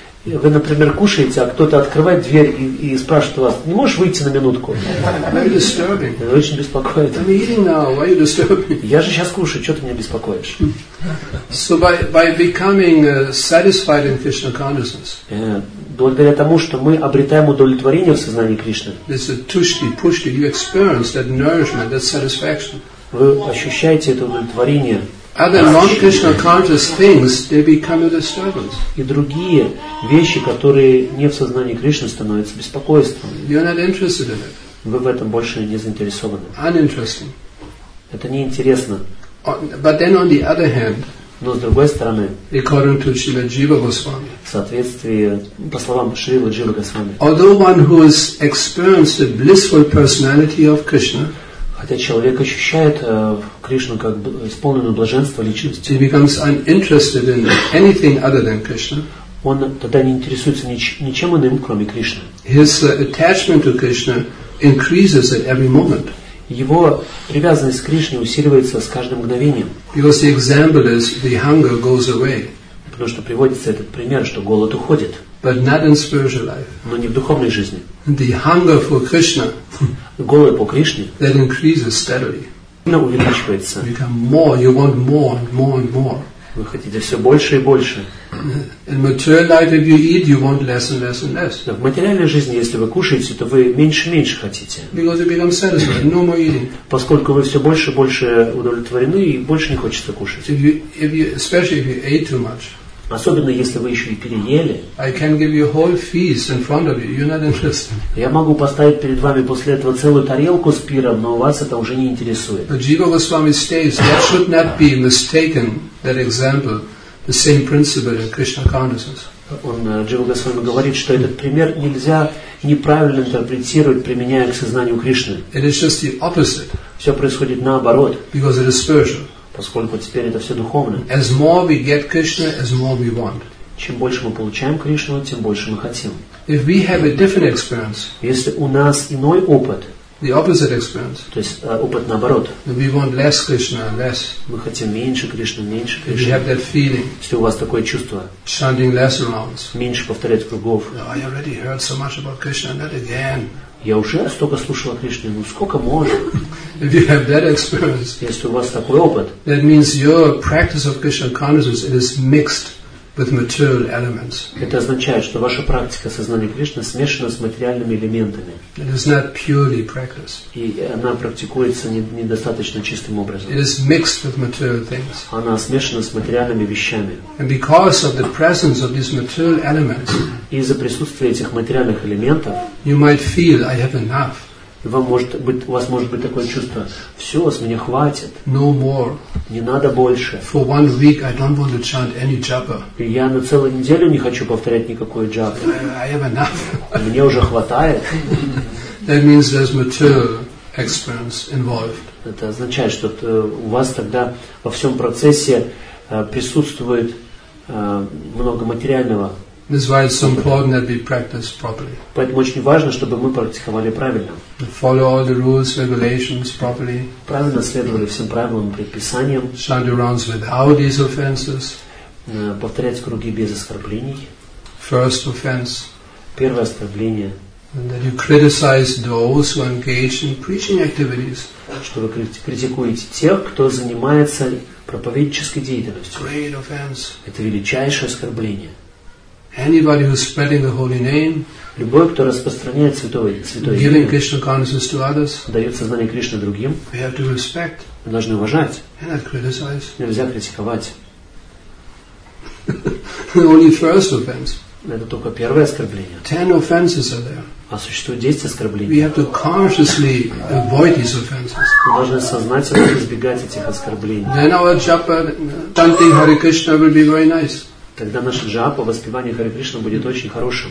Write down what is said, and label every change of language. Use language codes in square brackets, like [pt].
[ru] Вы, например, кушаете, а кто-то открывает дверь и спрашивает вас, не можешь выйти на минутку? Это очень беспокоит. [en] I'm eating now. Why are you disturbing? [ru] Я же сейчас кушаю, что ты меня беспокоишь? [en] So by becoming satisfied in Krishna consciousness, [ru] благодаря тому, что мы обретаем удовлетворение в сознании Кришны, [en] it's a tushti, pushti, you experience that nourishment, that satisfaction. [ru] Вы ощущаете это удовлетворение. [en] Other non-Krishna conscious things, they become a disturbance. [ru] И другие вещи, которые не в сознании Кришны, становятся беспокойством. [en] You're not interested in it. [ru] Вы в этом больше не заинтересованы. [en] Uninteresting. [ru] Это неинтересно. [en] But then on the other hand, [ru] но с другой стороны, [en] according to Śrīla Jīva Gosvāmī, [ru] в соответствии, по словам Śrīla Jīva Gosvāmī, [en] although one who has experienced the blissful personality of Krishna, [ru] хотя человек ощущает Кришну как исполненную блаженство личности, [en] he becomes uninterested in anything other than Krishna. [ru] Он тогда не интересуется ничем иным, кроме Кришны. [en] His attachment to Krishna increases at every moment. [ru] Его привязанность к Кришне усиливается с каждым мгновением. [en] Because the example is the hunger goes away. [ru] Потому что приводится этот пример, что голод уходит. [en] But not in spiritual life. [ru] Но не в духовной жизни. [en] The hunger for Krishna. [ru] Голод по Кришне. [en] That increases steadily. [ru] Но увеличивается. [en] You become more. You want more and more and more. [ru] Вы хотите все больше и больше. [en] In material life, if you eat, you want less and less and less. [ru] В материальной жизни, если вы кушаете, то вы меньше и меньше хотите. [en] Because you become satisfied. No more eating. [ru] Поскольку вы все больше и больше удовлетворены и больше не хочется кушать. [en] If you, especially if you ate too much. [ru] Особенно если вы еще и переели. [en] I can give you a whole feast in front of you. You're not interested. [ru] Я могу поставить перед вами после этого целую тарелку с пиром, но вас это уже не интересует. [en] Jiva Goswami states that should not be mistaken, that example, the same principle in Krishna consciousness. [ru] Он Джива Госвами говорит, что этот пример нельзя неправильно интерпретировать, применяя к сознанию Кришны. [en] It is just the opposite. [ru] Все происходит наоборот. [en] Because it is spiritual. [ru] Поскольку теперь это все духовно. [en] As more we get Krishna, as more we want. [ru] Чем больше мы получаем Кришну, тем больше мы хотим. [en] If we have a different experience. [ru] Если у нас иной опыт. [en] The opposite experience. [ru] То есть опыт наоборот. [en] We want less Krishna, less. [ru] Мы хотим меньше Кришны, меньше Кришны. [en] If you have that feeling. [ru] Если у вас такое чувство. [en] Chanting less rounds. [ru] Меньше повторять кругов. [en] I already heard so much about Krishna, not again. [ru] Я уже столько слушал о Кришне, ну сколько можно? [en] If you have that experience. [ru] Если у вас такой опыт. [en] That means your practice of Krishna consciousness it is mixed with material elements. [ru] Это означает, что ваша практика сознания Кришны смешана с материальными элементами. [en] It is not purely practice. [ru] И она практикуется недостаточно чистым образом. [en] It is mixed with material things. [ru] Она смешана с материальными вещами. [en] And because of the presence of these material elements. [ru] Из-за присутствия этих материальных элементов. [en] You might feel I have enough. [ru] И вам может быть, у вас может быть такое чувство: все, с меня хватит. [en] No more. [ru] Не надо больше. [en] For 1 week I don't want to chant any japa. [ru] И я на целую неделю не хочу повторять никакой джапы. [en] I have enough. [ru] Мне уже хватает. [en] That means there's material experience involved. [ru] Это означает, что у вас тогда во всем процессе присутствует много материального. [en] This is why it's so important that we practice properly. [ru] Поэтому очень важно, чтобы мы практиковали правильно. [en] Follow all the rules, regulations properly. [ru] Правильно следовали всем правилам и предписаниям. [en] Chant rounds without these offenses. [ru] Повторять круги без оскорблений. [en] First offense. [ru] Первое оскорбление. [en] And that you criticize those who engage in preaching activities. [ru] Что вы критикуете тех, кто занимается проповеднической деятельностью. [en] Great offense. [ru] Это величайшее оскорбление. [en] Anybody who is spreading the holy name, [ru] любой, кто распространяет святое имя, [en] giving Krishna consciousness to others, [ru] дает сознание Кришны другим, [en] we have to respect, [ru] мы должны уважать, [en] and not criticize. [ru] Нельзя критиковать. [en] Only first offense. [ru] Это только первое оскорбление. [en] 10 offenses are there. [ru] А существует 10 оскорблений. [en] We have to consciously avoid these offenses. [ru] Мы должны сознательно избегать этих оскорблений. [en] Then our japa, chanting Hare Krishna will be very nice. [ru] Тогда наша джапа, воспевание Харе Кришна будет очень хорошим.